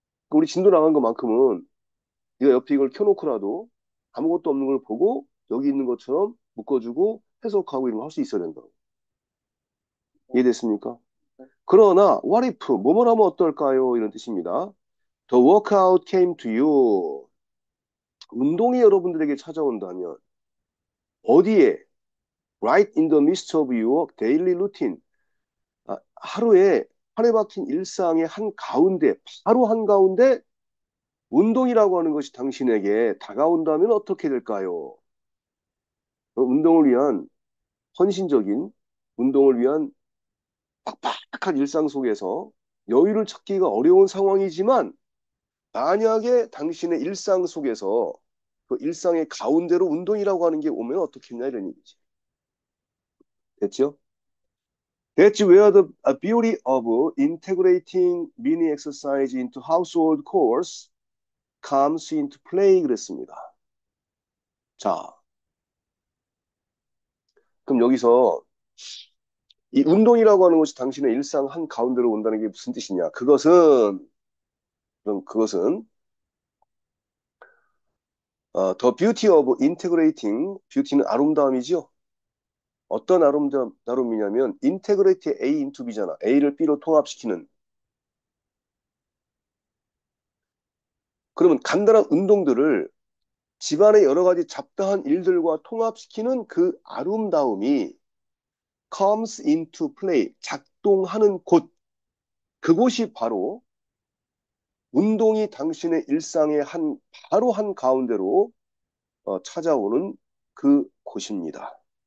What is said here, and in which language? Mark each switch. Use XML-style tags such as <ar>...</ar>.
<ko>우리 진도 나간 것만큼은 네가 옆에 이걸 켜놓고라도 아무것도 없는 걸 보고 여기 있는 것처럼 묶어주고 해석하고 이런 거할수 있어야 된다고. 이해됐습니까? 그러나</ko> <en>what if</en> <ko>뭐뭐 하면 어떨까요? 이런 뜻입니다.</ko> <en>The workout came to you.</en> <ko>운동이 여러분들에게 찾아온다면 어디에?</ko> <en>Right in the midst of your daily routine.</en> <ko>하루에 한에 박힌 일상의 한 가운데, 바로 한 가운데 운동이라고 하는 것이 당신에게 다가온다면 어떻게 될까요? 운동을 위한 헌신적인 운동을 위한 빡빡한 일상 속에서 여유를 찾기가 어려운 상황이지만 만약에 당신의 일상 속에서 그 일상의 가운데로 운동이라고 하는 게 오면 어떻겠냐 이런 얘기지. 됐죠?</ko> <en>That's where the beauty of integrating mini exercise into household chores comes into play 그랬습니다.</en> <ko>자, 그럼 여기서 이 운동이라고 하는 것이 당신의 일상 한 가운데로 온다는 게 무슨 뜻이냐? 그것은</ko> <en>the beauty of integrating,</en> <ko>beauty는 아름다움이죠. 어떤 나름이냐면</ko> <en>integrate A into B</en> <ko>잖아. A를 B로 통합시키는. 그러면 간단한 운동들을 집안의 여러 가지 잡다한 일들과 통합시키는 그 아름다움이</ko> <en>comes into play,</en> <ko>작동하는 곳. 그곳이 바로 운동이 당신의 일상의 바로 한 가운데로 찾아오는 그 곳입니다.</ko>